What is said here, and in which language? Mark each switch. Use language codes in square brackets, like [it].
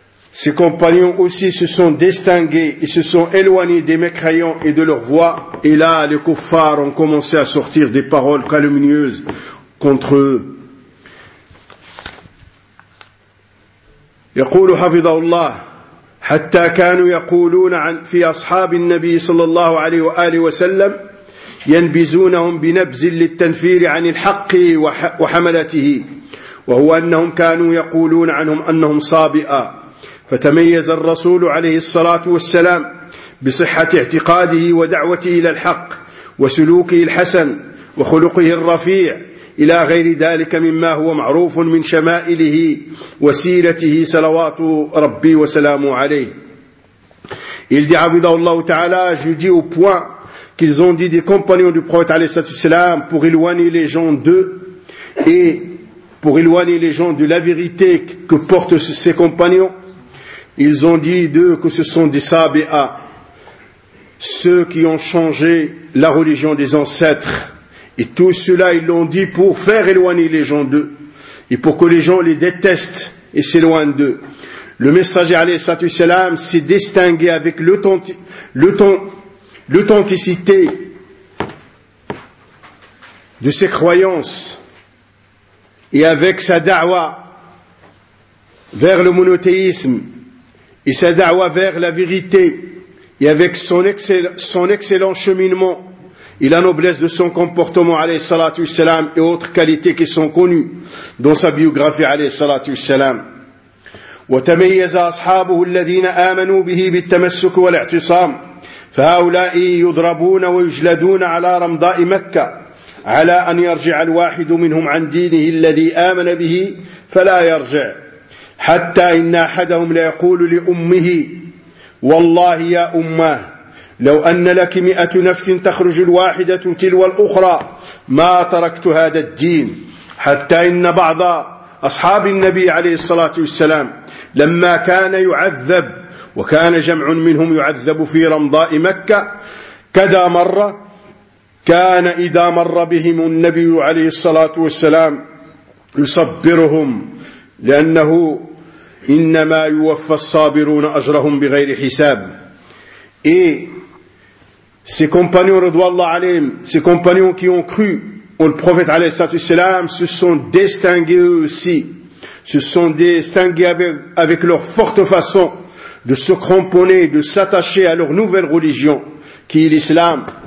[fr] « Ses compagnons aussi se sont distingués et se sont éloignés des mécréants et de leur voix. Et là, les kuffars ont commencé à sortir des paroles calomnieuses contre eux. [ar] يقول حفظه الله حتى كانوا يقولون عن في أصحاب النبي صلى الله عليه وآله وسلم ينبزونهم بنبز للتنفير عن الحق وحملته وهو أنهم كانوا يقولون عنهم أنهم صابئة فتميز الرسول عليه الصلاة والسلام بصحة اعتقاده ودعوته إلى الحق وسلوكه الحسن وخلقه الرفيع إلى غير ذلك مما هو معروف من شمائله وسيرته صلوات ربي وسلامه عليه. [fr] Il dit, Abidallah Ta'ala, je dis au point qu'ils ont dit des compagnons du prophète alayhi salam pour éloigner les gens d'eux et pour éloigner les gens de la vérité que portent ces compagnons. Ils ont dit d'eux que ce sont des Sabi'a, ceux qui ont changé la religion des ancêtres. Et tout cela, ils l'ont dit pour faire éloigner les gens d'eux, et pour que les gens les détestent et s'éloignent d'eux. Le messager, alayhi salam, s'est distingué avec l'authenticité de ses croyances, et avec sa da'wah vers le monothéisme, et sa da'wah vers la vérité, et avec son excellent cheminement, et la noblesse de son comportement, alayhi salatu wassalam, et autres qualités qui sont connues dans sa biographie, alayhi salatu wassalam. [ar] وتميز أصحابه الذين آمنوا به بالتمسك والاعتصام فهؤلاء يضربون ويجلدون على رمضاء مكة على أن يرجع الواحد منهم عن دينه الذي آمن به فلا يرجع حتى إن أحدهم ليقول لأمه والله يا أمه لو أن لك 100 نفس تخرج الواحدة تلو الأخرى ما تركت هذا الدين حتى إن بعض أصحاب النبي عليه الصلاة والسلام لما كان يعذب وكان جمع منهم يعذب في رمضاء مكة كذا مرة كان إذا مر بهم النبي عليه الصلاة والسلام يصبرهم لأنه إنما يوفى الصابرون أجرهم بغير حساب. [fr] Ses compagnons, radouallah alayhim, ses compagnons qui ont cru au prophète alayhi salam, se sont distingués aussi, se sont distingués avec leur forte façon de se cramponner, de s'attacher à leur nouvelle religion, qui est l'islam.